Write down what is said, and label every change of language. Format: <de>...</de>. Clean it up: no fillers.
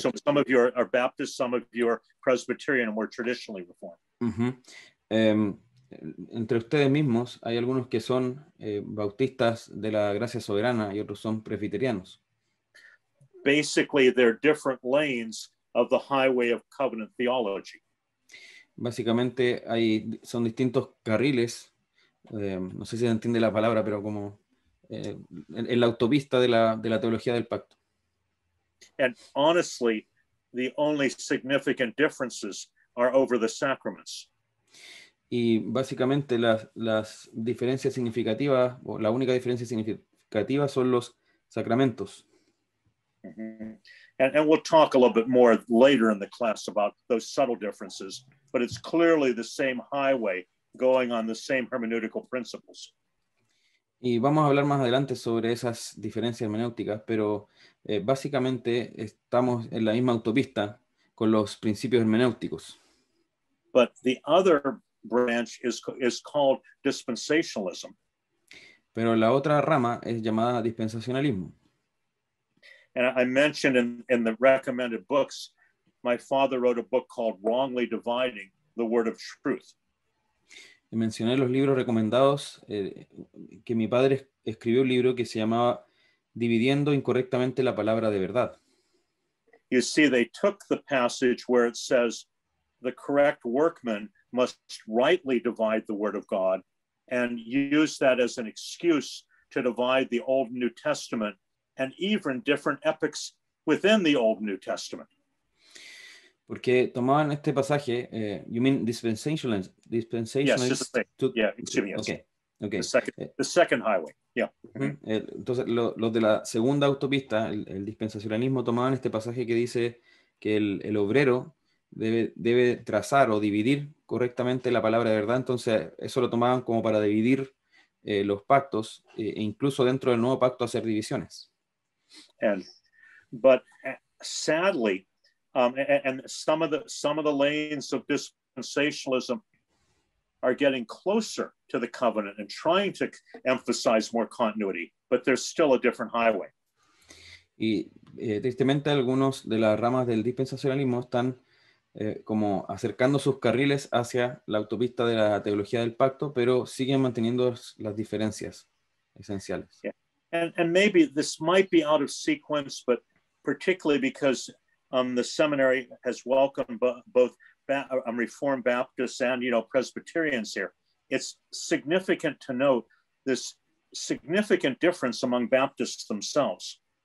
<en>So some of you are Baptists, some of you are Presbyterian, more traditionally Reformed. Mm-hmm.</en> <es>Entre ustedes mismos, hay algunos que son bautistas de la Gracia Soberana y otros son presbiterianos.</es> <en>Basically, they're different lanes of the highway of covenant theology.</en> <es>Básicamente, son distintos carriles. No sé si se entiende la palabra, pero como en la autopista de la teología del pacto.</es> <en>And honestly, the only significant differences are over the sacraments.</en> <es>Y básicamente, las diferencias significativas, o la única diferencia significativa, son los sacramentos. Mm-hmm.</es> <en>And we'll talk a little bit more later in the class about those subtle differences, but it's clearly the same highway going on the same hermeneutical principles.</en> <es>Y vamos a hablar más adelante sobre esas diferencias hermenéuticas, pero básicamente estamos en la misma autopista con los principios hermenéuticos.</es> <en>But the other branch is called dispensationalism.</en> <es>Pero la otra rama es llamada dispensacionalismo.</es> <en>And I mentioned in the recommended books, my father wrote a book called Wrongly Dividing the Word of Truth.</en> <es>Y mencioné los libros recomendados, que mi padre escribió un libro que se llamaba Dividiendo Incorrectamente la Palabra de Verdad.</es> <en>You see, they took the passage where it says the correct workman must rightly divide the Word of God and use that as an excuse to divide the Old and New Testament and even different epochs within the Old New Testament.</en> <es>Porque tomaban este pasaje,</es> <en>you mean dispensationalism? Yes, just the same. Okay. The second highway, yeah. Mm-hmm.</en> <es>Entonces, los de la segunda autopista, el dispensacionalismo, tomaban este pasaje que dice que el obrero debe trazar o dividir correctamente la palabra de verdad. Entonces, eso lo tomaban como para dividir los pactos, e incluso dentro del nuevo pacto hacer divisiones.</es> <en>But sadly, some of the lanes of dispensationalism are getting closer to the covenant and trying to emphasize more continuity, but there's still a different highway.</en> <es>Y tristemente algunos de las ramas del dispensacionalismo están como acercando sus carriles hacia la autopista de la teología del pacto, pero siguen manteniendo las diferencias esenciales. Yeah.</es> <en>And maybe this might be out of sequence, but particularly because the seminary has welcomed both Reformed Baptists and, you know, Presbyterians here. it's significant to note this significant difference among Baptists themselves.</en>